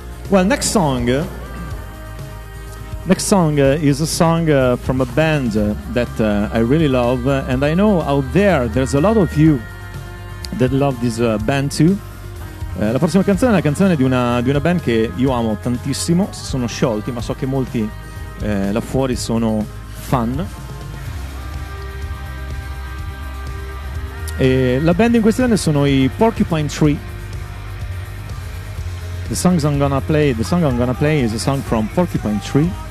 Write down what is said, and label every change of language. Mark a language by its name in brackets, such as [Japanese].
[English] Well, next song is a song from a band that I really love, and I know out there there's a lot of you that love this band too. [Italian] La prossima canzone è una canzone di una band che io amo tantissimo. Si sono sciolti, ma so che molti là fuori sono fan. E la band in questione sono i Porcupine Tree. [English] The song I'm gonna play is a song from Porcupine Tree.